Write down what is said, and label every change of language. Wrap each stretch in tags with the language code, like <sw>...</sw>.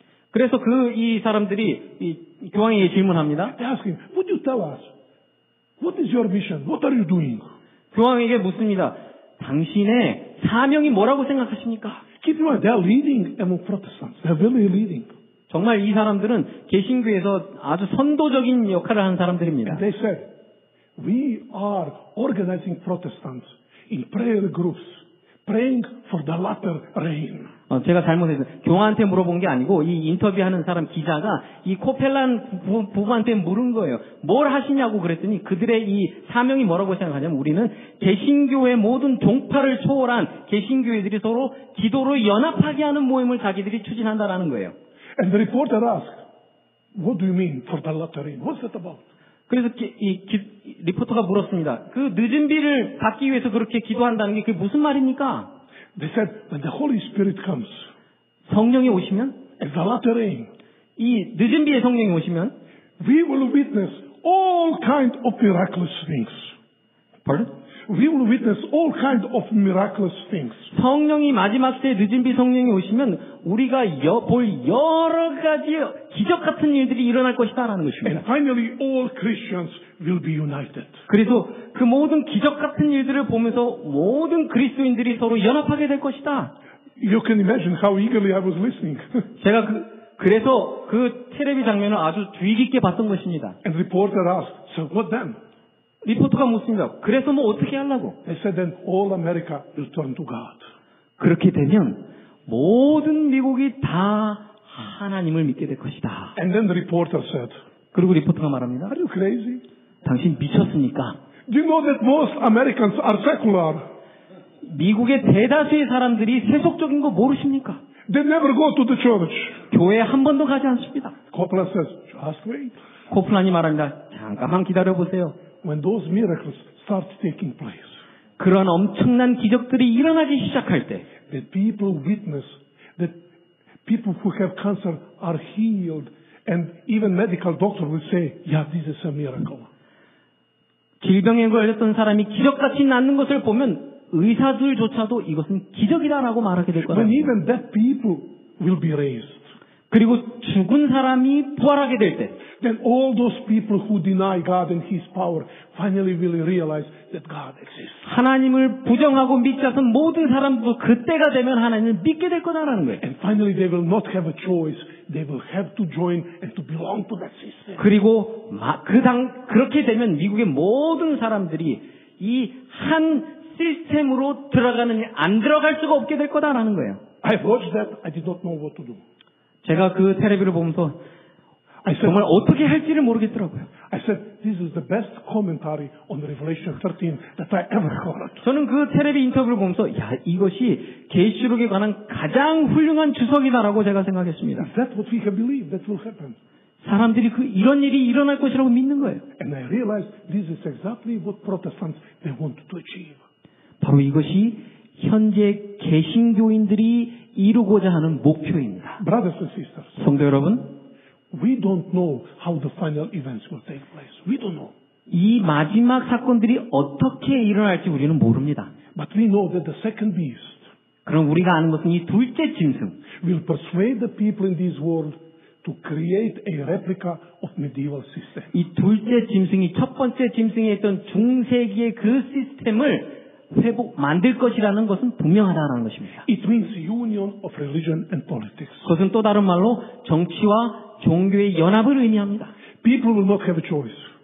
<ko>그래서 그 이 사람들이 이 교황에게 질문합니다.</ko> <en>They ask him, "Would you tell us what is your mission? What are you doing?"</en> <ko>교황에게 묻습니다. 당신의 사명이 뭐라고 생각하십니까?</ko> <en>Keep in mind, they are leading among Protestants. They are really leading.</en> <ko>정말 이 사람들은 개신교에서 아주 선도적인 역할을 하는 사람들입니다.</ko> <en>And they said, we are organizing Protestants in prayer groups, praying for the latter rain.</en> <ko>제가 잘못했어요. 교황한테 물어본 게 아니고 이 인터뷰하는 사람 기자가 이 코펠란 부부한테 물은 거예요. 뭘 하시냐고 그랬더니 그들의 이 사명이 뭐라고 생각하냐면 우리는 개신교의 모든 종파를 초월한 개신교회들이 서로 기도로 연합하게 하는 모임을 자기들이 추진한다라는 거예요.</ko> <en>And the reporter asked, "What do you mean for the latter rain? What's that about?"</en> <ko>그래서 리포터가 물었습니다. 그 늦은 비를 받기 위해서 그렇게 기도한다는 게 그게 무슨 말입니까?</ko> <en>They said, "When the Holy Spirit comes."</en> <ko>성령이 오시면?</ko> <en>At the latter rain.</en> <ko>이 늦은 비에 성령이 오시면?</ko> <en>We will witness all kinds of miraculous things. Pardon? We will witness all kinds of miraculous things.</en> <ko>성령이 마지막 때 늦은 비 성령이 오시면 우리가 볼 여러 가지 기적 같은 일들이 일어날 것이다라는 것입니다.</ko> <en>And finally, all Christians will be united.</en> <ko>그래서 그 모든 기적 같은 일들을 보면서 모든 그리스도인들이 서로 연합하게 될 것이다.</ko> <en>You can imagine how eagerly I was listening.</en> <ko>제가 그래서 그 텔레비 장면을 아주 주의깊게 봤던 것입니다.</ko> <en>And the reporter asked, "So what then?"</en> <ko>리포터가 묻습니다. 그래서 뭐 어떻게 하려고?</ko> <en>They said then all America will turn to God.</en> <ko>그렇게 되면 모든 미국이 다 하나님을 믿게 될 것이다.</ko> <en>And then the reporter said,</en> <ko>그리고 리포터가 말합니다.</ko> <en>Are you crazy?</en> <ko>당신 미쳤습니까?</ko> <en>Do you know that most Americans are secular?</en> <ko>미국의 대다수의 사람들이 세속적인 거 모르십니까?</ko> <en>They never go to the church.</en> <ko>교회 한 번도 가지 않습니다.</ko> <en>Copeland says, just wait.</en> <ko>코플란이 말합니다. 잠깐만 기다려 보세요.</ko> <en>When those miracles start taking place.</en> <ko>그런 엄청난 기적들이 일어나기 시작할 때.</ko> <en>The people witness that people who have cancer are healed, and even medical doctors will say, "Yeah, this is a miracle."</en> <ko>질병에 걸렸던 사람이 기적같이 낫는 것을 보면 의사들조차도 이것은 기적이다라고 말하게 될 거라고.</ko> <en>When even dead people will be raised.</en> <ko>그리고 죽은 사람이 부활하게 될 때.</ko> <en>Then all those people who deny God and His power finally will realize that God exists.</en> <ko>하나님을 부정하고 믿지 않은 모든 사람도 그때가 되면 하나님을 믿게 될 거다라는 거예요.</ko> <en>And finally, they will not have a choice. They will have to join and to belong to that system.</en> <ko>그리고 그렇게 되면 미국의 모든 사람들이 이 한 시스템으로 들어가느니 안 들어갈 수가 없게 될 거다라는 거예요.</ko> <en>I watched that. I did not know what to do.</en> <ko>제가 그 텔레비를 보면서 정말 어떻게 할지를 모르겠더라고요.</ko> <en>I said, this is the best commentary on Revelation 13 that I ever heard.</en> <ko>저는 그 텔레비 인터뷰를 보면서 야 이것이 계시록에 관한 가장 훌륭한 주석이다라고 제가 생각했습니다.</ko> <en>That what we have believed that will happen.</en> <ko>사람들이 그 이런 일이 일어날 것이라고 믿는 거예요.</ko> <en>And I realized this is exactly what Protestants they want to achieve.</en> <ko>바로 이것이 현재 개신교인들이 이루고자 하는 목표입니다.</ko> <en>Brothers and sisters.</en> <ko>성도 여러분.</ko> <en>We don't know how the final events will take place. We don't know.</en> <ko>이 마지막 사건들이 어떻게 일어날지 우리는 모릅니다.</ko> <en>But we know that the second beast.</en> <ko>그럼 우리가 아는 것은 이 둘째 짐승.</ko> <en>Will persuade the people in this world to create a replica of medieval system.</en> <ko>이 둘째 짐승이 첫 번째 짐승에 있던 중세기의 그 시스템을 회복 만들 것이라는 것은 분명하다는 것입니다.</ko> <en>It means union of religion and politics.</en> <ko>그것은 또 다른 말로 정치와 종교의 연합을 의미합니다.</ko> <en>People will not have a choice.</en>